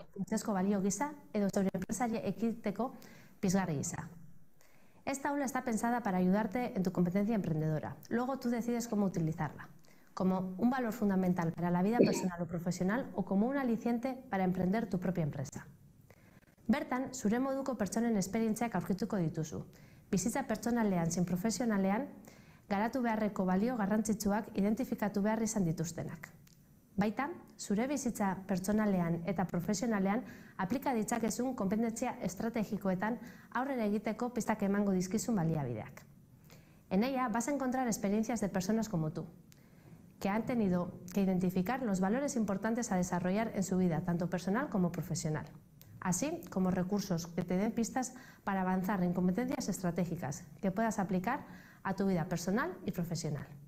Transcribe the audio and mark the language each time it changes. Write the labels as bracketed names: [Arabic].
[Basque] Ezko balio gisa edo zure enpresaria ekiteko pizgarri gisa. [Spanish] Esta aula está pensada para ayudarte en tu competencia emprendedora. Luego tú decides cómo utilizarla. Como un valor fundamental para la vida personal o profesional o como un aliciente para emprender tu propia empresa. [Basque] Bertan, zure moduko pertsonen esperientziak aurkituko dituzu. Bizitza pertsonalean zein profesionalean, garatu beharreko balio garrantzitsuak identifikatu behar izan dituztenak. Baita, zure bizitza pertsonalean eta profesionalean aplika ditzakezun konpetentzia estrategikoetan aurrera egiteko pistak emango dizkizun baliabideak. [Spanish] En ella vas a encontrar experiencias de personas como tú, que han tenido que identificar los valores importantes a desarrollar en su vida, tanto personal como profesional. Así como recursos que te den pistas para avanzar en competencias estratégicas que puedas aplicar a tu vida personal y profesional.